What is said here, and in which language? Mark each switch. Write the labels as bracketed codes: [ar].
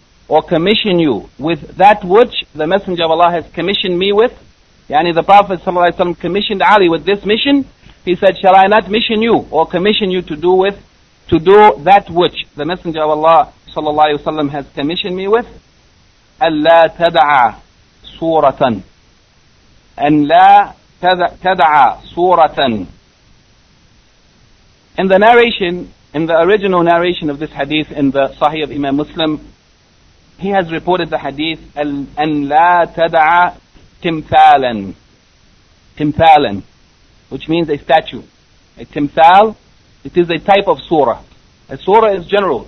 [en] or commission you with that which the Messenger of Allah has commissioned me with, yani the Prophet ﷺ commissioned Ali with this mission, he said, shall I not mission you or commission you to do that which the Messenger of Allah ﷺ has commissioned me with? [ar] أَلَّا تَدَعَ سُورَةً أَنْ لَا تَدَعَ سُورَةً. [en] In the narration, in the original narration of this hadith in the Sahih of Imam Muslim, he has reported the hadith, [ar] أَنْ لَا تَدَعَ تِمْثَالًا تِمْثَالًا, [en] which means a statue. A timthal, it is a type of surah. A surah is general.